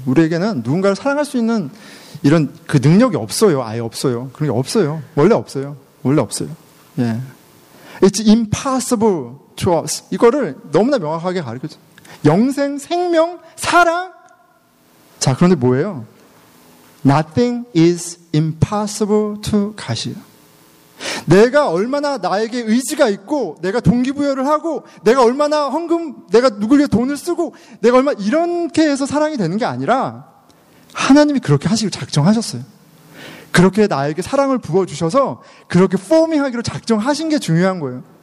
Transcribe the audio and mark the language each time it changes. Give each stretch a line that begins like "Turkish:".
Korean: 우리에게는 누군가를 사랑할 수 있는 이런 그 능력이 없어요. 아예 없어요. 그런 게 없어요. 원래 없어요. 원래 없어요. 예.
English: It's impossible to us.
Korean: 이거를 너무나 명확하게 가르쳐 주세요. 영생, 생명, 사랑. 자, 그런데 뭐예요?
English: Nothing is impossible to God
Korean: 이에요. 내가 얼마나 나에게 의지가 있고 내가 동기부여를 하고 내가 얼마나 헌금, 내가 누구를 위해 돈을 쓰고 내가 얼마, 이렇게 해서 사랑이 되는 게 아니라 하나님이 그렇게 하시기로 작정하셨어요. 그렇게 나에게 사랑을 부어주셔서 그렇게 포밍하기로 작정하신 게 중요한 거예요.